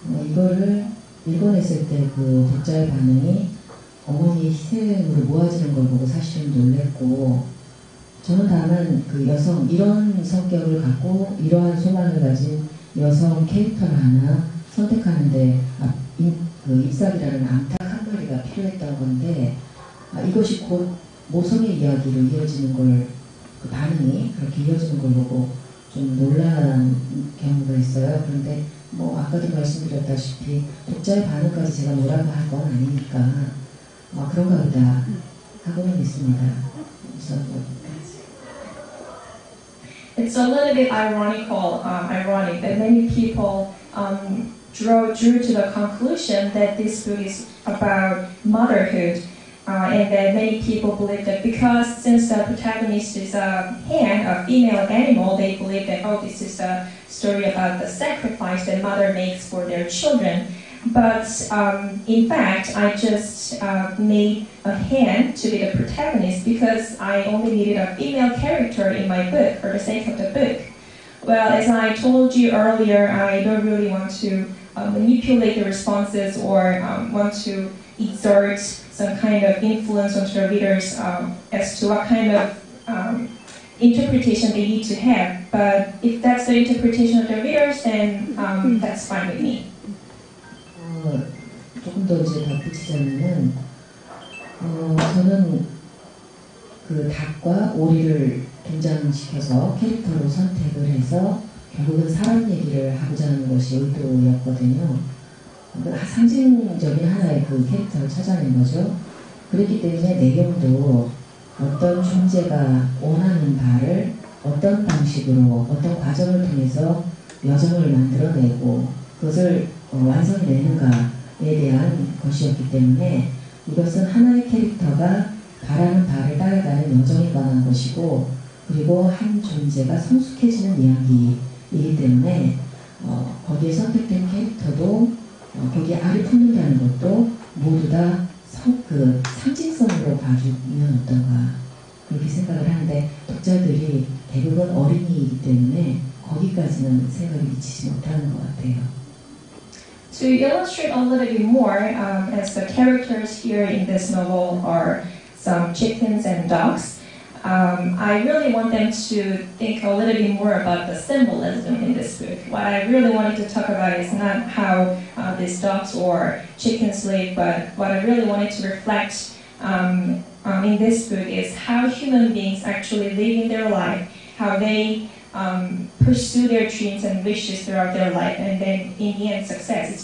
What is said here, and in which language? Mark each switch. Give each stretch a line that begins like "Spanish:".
Korean: 이거를 읽어냈을 때 그 독자의 반응이 어머니의 희생으로 모아지는 걸 보고 사실은 놀랬고 저는 다만 그 여성 이런 성격을 갖고 이러한 소망을 가진 여성 캐릭터를 하나 선택하는데 잎사귀라는 암탉 한 마리가 필요했던 건데 이것이 곧 모성의 이야기로 이어지는 걸 그 반응이 그렇게 이어지는 걸 보고 좀 놀란 경우가 있어요. 그런데 뭐 아까도 말씀드렸다시피 독자의 반응까지 제가 뭐라고 할 건 아니니까 그런가 보다 하고는 있습니다. 우선은.
English: It's a little bit ironic that many people drew to the conclusion that this book is about motherhood and that many people believe that because since the protagonist is a female animal, they believe that, oh, this is a story about the sacrifice that mother makes for their children. But in fact, I just made a hen to be the protagonist because I only needed a female character in my book for the sake of the book. Well, as I told you earlier, I don't really want to manipulate the responses or want to exert some kind of influence onto the readers as to what kind of interpretation they need to have. But if that's the interpretation of the readers, then that's fine with me.
Korean: 조금 더 이제 덧붙이자면은 저는 그 닭과 오리를 등장시켜서 캐릭터로 선택을 해서 결국은 사람 얘기를 하고자 하는 것이 의도였거든요. 그 상징적인 하나의 그 캐릭터를 찾아낸 거죠. 그렇기 때문에 내용도 어떤 존재가 원하는 바를 어떤 방식으로 어떤 과정을 통해서 여정을 만들어내고 그것을 완성되는가에 대한 것이었기 때문에 이것은 하나의 캐릭터가 바라는 바를 따라가는 여정에 관한 것이고 그리고 한 존재가 성숙해지는 이야기이기 때문에 거기에 선택된 캐릭터도 거기에 알을 품는다는 것도 모두 다 그 상징성으로 봐주면 어떤가 그렇게 생각을 하는데 독자들이 대부분 어린이이기 때문에 거기까지는 생각이 미치지 못하는 것 같아요.
English: To illustrate a little bit more, as the characters here in this novel are some chickens and ducks, I really want them to think a little bit more about the symbolism in this book. What I really wanted to talk about is not how these ducks or chickens live, but what I really wanted to reflect in this book is how human beings actually live in their life, how they pursue their dreams and wishes throughout their life, and then in the end, success.